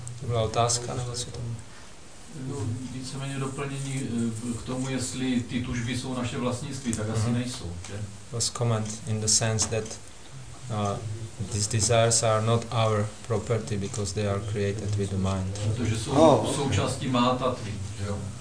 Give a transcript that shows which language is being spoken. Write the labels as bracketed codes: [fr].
[cs] To byla otázka, nebo co to? No, víceméně doplnění k tomu, jestli ty tužby jsou naše vlastnictví, tak asi nejsou, že? [en] Was comment in the sense that these desires are not our property because they are created with the mind. [cs] Protože jsou součástí Mahatattvy, jo.